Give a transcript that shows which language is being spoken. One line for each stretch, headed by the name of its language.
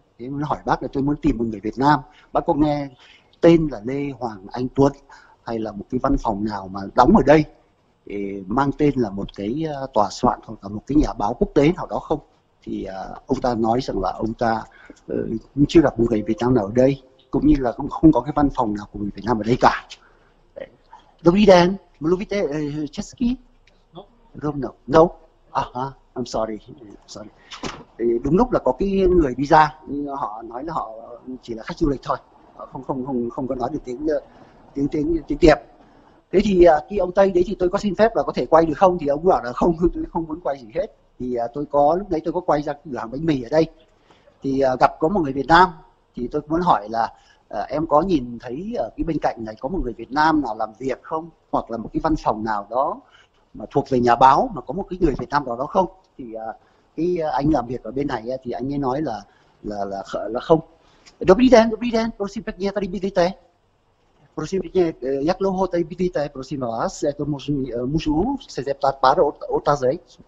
Vietnamese: Thế mới hỏi bác là tôi muốn tìm một người Việt Nam, bác có nghe tên là Lê Hoàng Anh Tuấn hay là một cái văn phòng nào mà đóng ở đây thì mang tên là một cái tòa soạn hoặc là một cái nhà báo quốc tế nào đó không, thì ông ta nói rằng là ông ta chưa gặp một người Việt Nam nào ở đây, cũng như là cũng không có cái văn phòng nào của người Việt Nam ở đây cả.
Czech: Dobrý den, mluvíte česky?
Vietnamese: Không,
English: no. No. I'm sorry.
Vietnamese: Thì đúng lúc là có cái người đi ra, họ nói là họ chỉ là khách du lịch thôi, không không không không có nói được tiếng tiếng tiếng tiếng Tiệp. Thế thì khi ông Tây đấy thì tôi có xin phép là có thể quay được không, thì ông bảo là không, tôi không muốn quay gì hết. Thì tôi có lúc đấy tôi có quay ra cửa hàng bánh mì ở đây, thì gặp có một người Việt Nam, thì tôi muốn hỏi là em có nhìn thấy ở cái bên cạnh này có một người Việt Nam nào làm việc không, hoặc là một cái văn phòng nào đó mà thuộc về nhà báo mà có một cái người Việt Nam nào đó không? Thì cái anh làm việc ở bên này thì anh ấy nói là không.
Czech: Dobrý den, prosím pekne, tady bydlíte? Prosím pekne, jak dlouho tady bydlíte, prosím vás, já to můžu se zeptat pár otázek.